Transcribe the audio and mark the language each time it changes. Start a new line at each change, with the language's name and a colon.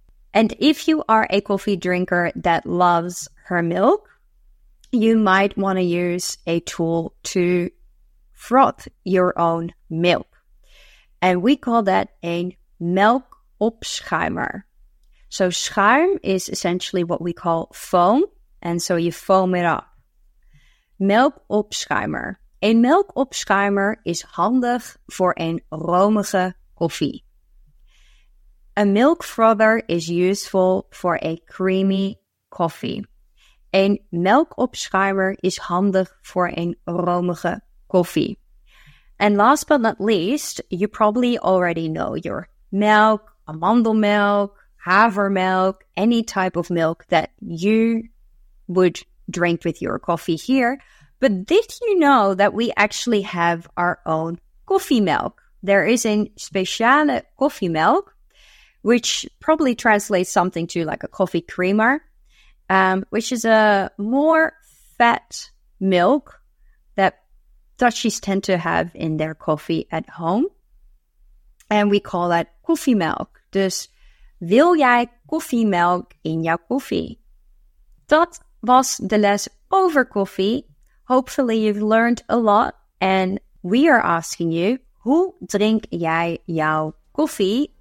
English: And if you are a coffee drinker that loves her milk, you might want to use a tool to froth your own milk. And we call that a milk opschuimer. So schuim is essentially what we call foam. And so you foam it up. Melk opschuimer.
Dutch: Een melk opschuimer is handig voor een romige koffie.
English: A milk frother is useful for a creamy coffee.
Dutch: Een melkopschuimer is handig voor een romige koffie.
English: And last but not least, you probably already know your milk, amandelmilk, havermilk, any type of milk that you would drink with your coffee here. But did you know that we actually have our own koffiemelk? There is
Dutch: een speciale koffiemelk,
English: which probably translates something to like a coffee creamer, which is a more fat milk that Dutchies tend to have in their coffee at home. And we call that koffiemelk.
Dutch: Dus wil jij koffiemelk in jouw koffie? Dat was de les over koffie.
English: Hopefully you've learned a lot. And we are asking you,
Dutch: hoe drink jij jouw koffie?